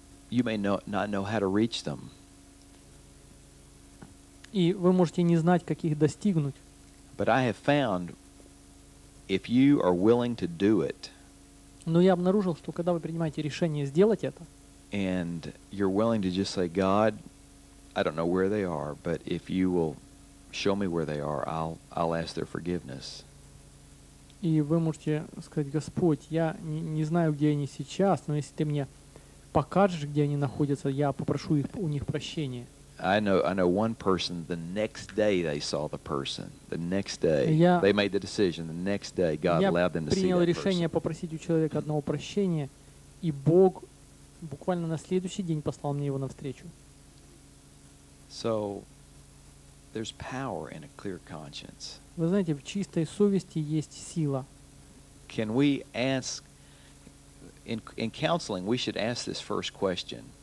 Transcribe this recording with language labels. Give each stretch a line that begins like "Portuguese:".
English: You may not know how to reach them.
Russian: И вы можете не знать, как их достигнуть.
English: But I have found, if you are willing to do it.
Russian: Но я обнаружил, что когда вы принимаете решение сделать это,
English: and you're willing to just say, God, I don't know where they are, but if you will show me where they are, I'll ask their forgiveness.
Russian: И вы можете сказать, Господь, я не знаю, где они сейчас, но если ты мне покажешь, где они находятся, я попрошу их у них прощения.
English: I know one person, the next day they saw the person. The next day, they made the decision. The next day, God allowed them to see that person.
Russian: Я принял решение попросить у человека одного прощения, и Бог буквально на следующий день послал мне его навстречу.
English: So, there's power in a clear conscience.
Russian: Вы знаете, в чистой совести есть сила.
English: Can we ask, in counseling, we should ask this first question.